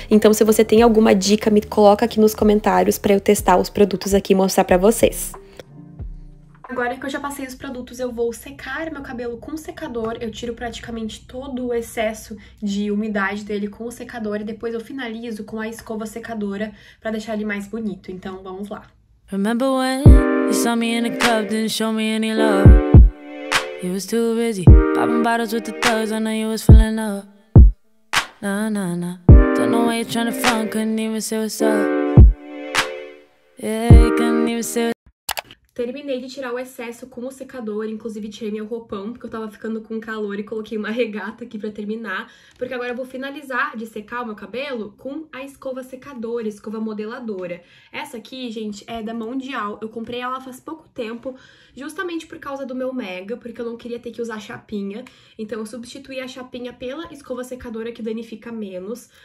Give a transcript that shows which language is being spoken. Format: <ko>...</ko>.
<pt>Então, se você tem alguma dica, me coloca aqui nos comentários para eu testar os produtos aqui e mostrar para vocês. Agora que eu já passei os produtos, eu vou secar meu cabelo com secador. Eu tiro praticamente todo o excesso de umidade dele com o secador e depois eu finalizo com a escova secadora para deixar ele mais bonito. Então, vamos lá.</pt> <en>Remember when you saw me in a club, didn't show me any love. You was too busy popping bottles with the thugs. I know you was feeling up. Nah, nah, nah. Don't know why you're trying to front. Couldn't even say what's up. Yeah, couldn't even say what's up.</en> <pt>Terminei de tirar o excesso com o secador, inclusive tirei meu roupão, porque eu tava ficando com calor e coloquei uma regata aqui pra terminar, porque agora eu vou finalizar de secar o meu cabelo com a escova secadora, escova modeladora. Essa aqui, gente, é da Mondial, eu comprei ela faz pouco tempo, justamente por causa do meu Mega, porque eu não queria ter que usar chapinha, então eu substituí a chapinha pela escova secadora, que danifica menos.</pt>